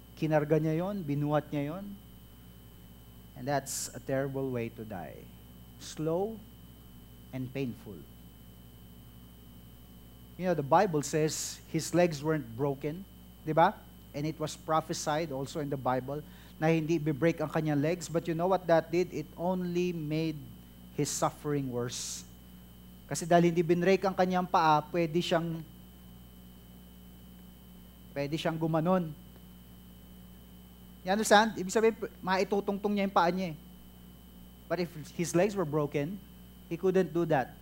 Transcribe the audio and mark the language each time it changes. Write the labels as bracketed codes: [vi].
[tl] Kinarga niya yun, binuhat niya yun. [en] And that's a terrible way to die. Slow and painful. You know, the Bible says his legs weren't broken, [tl] di ba? [en] And it was prophesied also in the Bible na [tl] hindi bibreak ang kanyang [en] legs. But you know what that did? It only made his suffering worse. [tl] Kasi dahil hindi binreak ang kanyang paa, pwede siyang gumanon. [en] You understand? [tl] Ibig sabihin, maitutong-tong niya yung paa niya. [en] But if his legs were broken, he couldn't do that.